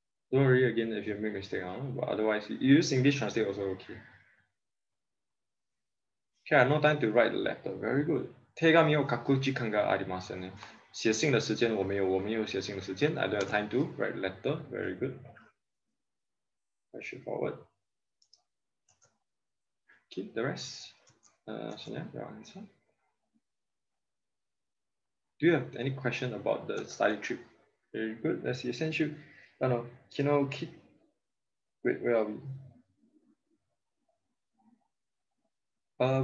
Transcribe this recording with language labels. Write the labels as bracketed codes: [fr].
[en] Don't worry again if you make a mistake, huh? But otherwise, you use English translate also okay. Okay, I have no time to write the letter. Very good. [ja] 手紙を書く時間がありません。 [zh] 写信的时间我没有，我没有写信的时间。 [en] I don't have time to write the letter. Very good. Push it forward. Okay, the rest. Sonia, your answer. Do you have any question about the study trip? Very good. Let's see. Since you, where are we?